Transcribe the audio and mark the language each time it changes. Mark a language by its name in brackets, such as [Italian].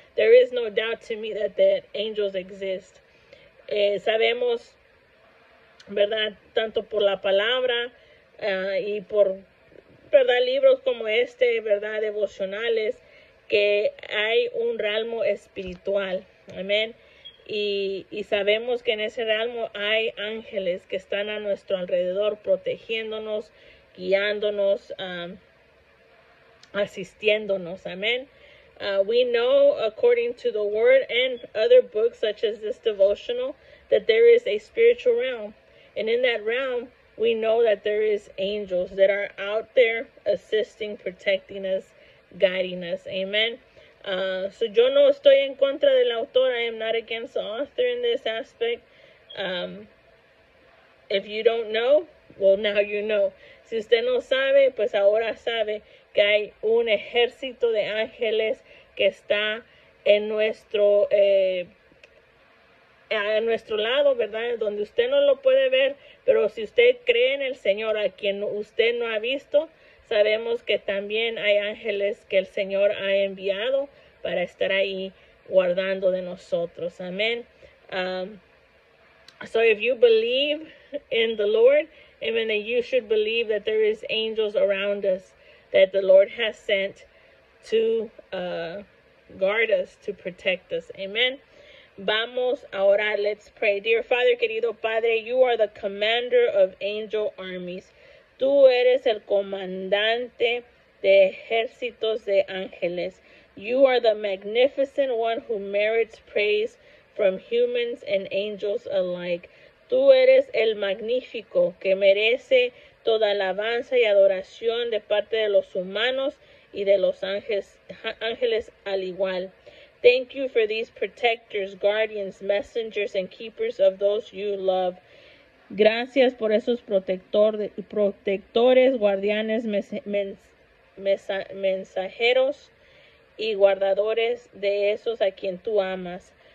[English] There is no doubt to me that the angels exist. [Spanish] Sabemos, ¿verdad?, tanto por la palabra y por, ¿verdad?, libros como este, ¿verdad?, devocionales, que hay un realmo espiritual, amén, y sabemos que en ese realmo hay ángeles que están a nuestro alrededor protegiéndonos, guiándonos, asistiéndonos. Amén. [English] We know, according to the word and other books such as this devotional, that there is a spiritual realm. And in that realm, we know that there is angels that are out there assisting, protecting us, guiding us. Amen. [Spanish] So yo no estoy en contra del autor. [English] I am not against the author in this aspect. If you don't know, well, now you know. [Spanish] Si usted no sabe, pues ahora sabe que hay un ejército de ángeles que está en nuestro, a nuestro lado, ¿verdad? Donde usted no lo puede ver, pero si usted cree en el Señor, a quien usted no ha visto, sabemos que también hay ángeles que el Señor ha enviado para estar ahí guardando de nosotros. Amén. [English] So if you believe in the Lord, amen, then you should believe that there is angels around us that the Lord has sent to guard us, to protect us. Amen. [Spanish] Vamos a orar. [English] Let's pray. Dear Father, [Spanish] querido Padre, [English] you are the commander of angel armies. [Spanish] Tú eres el comandante de ejércitos de ángeles. [English] You are the magnificent one who merits praise from humans and angels alike. [Spanish] Tú eres el magnífico que merece toda alabanza y adoración de parte de los humanos y de los ángeles al igual. [English] Thank you for these protectors, guardians, messengers, and keepers of those you love. [Spanish] Gracias por esos protectores, guardianes, mensajeros y guardadores de esos a quien tú amas.